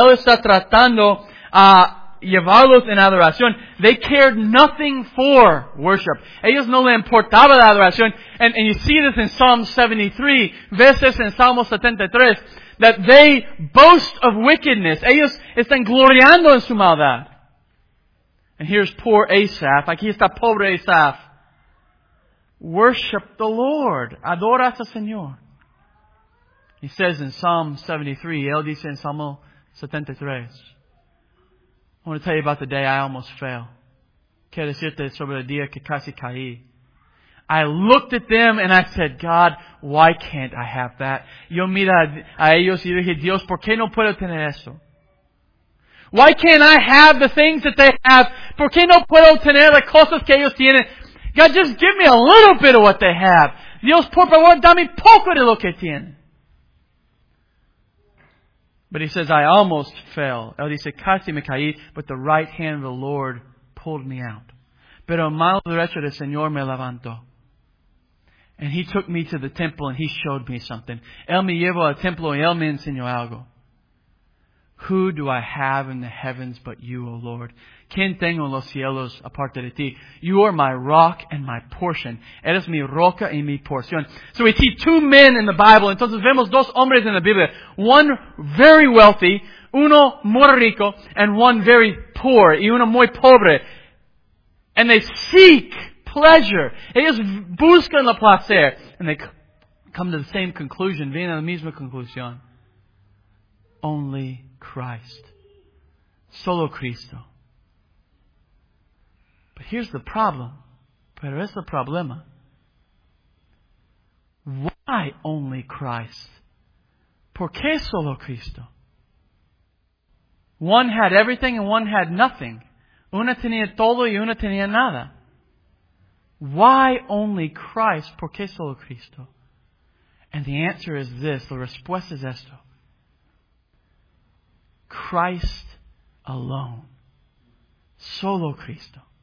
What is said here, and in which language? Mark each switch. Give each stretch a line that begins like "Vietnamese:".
Spanish: Él está tratando a llevarlos en adoración.
English: They cared nothing for worship.
Spanish: Ellos no le importaba la adoración.
English: And you see this in Psalm 73.
Spanish: Ves esto en Salmo 73.
English: That they boast of wickedness.
Spanish: Ellos están gloriando en su maldad.
English: And here's poor Asaph.
Spanish: Aquí está pobre Asaph.
English: Worship the Lord.
Spanish: Adora al Señor.
English: He says in Psalm 73,
Spanish: él dice en Salmo 73,
English: I want to tell you about the day I almost fell.
Spanish: Quiero decirte sobre el día que casi caí.
English: I looked at them and I said, God, why can't I have that?
Spanish: Yo mira a ellos y dije, Dios, ¿por qué no puedo tener eso?
English: Why can't I have the things that they have?
Spanish: ¿Por qué no puedo tener las cosas que ellos tienen?
English: God, just give me a little bit of what they have.
Spanish: Dios, por favor, dame poco de lo que tienen.
English: But he says, I almost fell.
Spanish: Él dice, casi me caí,
English: but the right hand of the Lord pulled me out.
Spanish: Pero mano derecha del Señor me levantó.
English: And he took me to the temple and he showed me something.
Spanish: Él me llevó al templo y él me enseñó algo.
English: Who do I have in the heavens but you, O Lord?
Spanish: ¿Quién tengo en los cielos aparte de ti?
English: You are my rock and my portion.
Spanish: Eres mi roca y mi porción.
English: So we see two men in the Bible.
Spanish: Entonces vemos dos hombres en la Biblia.
English: One very wealthy,
Spanish: uno muy rico,
English: and one very poor,
Spanish: y uno muy pobre.
English: And they seek pleasure.
Spanish: Ellos buscan la placer.
English: And they come to the same conclusion.
Spanish: Vienen a la misma conclusión.
English: Only Christ.
Spanish: Solo Cristo.
English: But here's the problem.
Spanish: Pero es el problema.
English: Why only Christ?
Spanish: ¿Por qué solo Cristo?
English: One had everything and one had nothing.
Spanish: Una tenía todo y una tenía nada.
English: Why only Christ?
Spanish: ¿Por qué solo Cristo?
English: And the answer is this.
Spanish: La respuesta es esto.
English: Christ alone.
Spanish: Solo Cristo.